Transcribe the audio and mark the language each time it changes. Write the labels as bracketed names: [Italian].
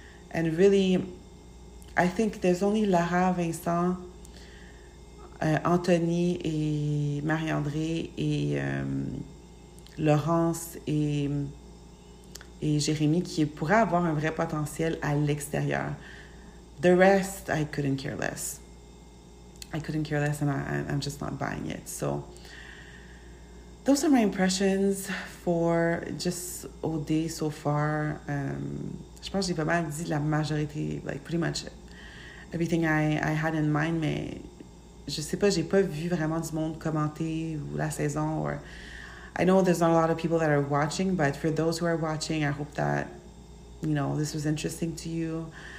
[English] And really, I think there's only [French] Lara, Vincent, Anthony et Marie-André et Laurence et Jérémy qui pourraient avoir un vrai potentiel à l'extérieur. [English] The rest, I couldn't care less. I couldn't care less, and I'm just not buying it. So those are my impressions for just OD so far. [French] Je pense que j'ai pas mal dit la majorité, [English] like pretty much everything I had in mind, [French] mais je sais pas, j'ai pas vu vraiment du monde commenter ou la saison. [English] Or I know there's not a lot of people that are watching, but for those who are watching, I hope that, you know, this was interesting to you.